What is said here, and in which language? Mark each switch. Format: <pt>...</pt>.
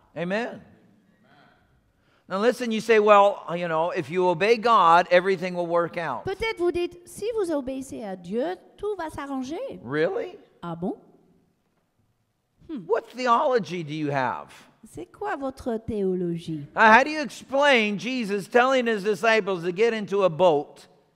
<en>Amen. Now listen, you say, well, you know, if you obey God, everything will work out.</en> <fr>Peut-être vous dites, si vous obéissez à Dieu, tout va s'arranger.</fr> <en>Really?</en> <fr>Ah bon?</fr> <en>What theology do you have?</en> <fr>C'est quoi votre théologie?</fr> <en>How do you explain Jesus telling his disciples to get into a boat</en>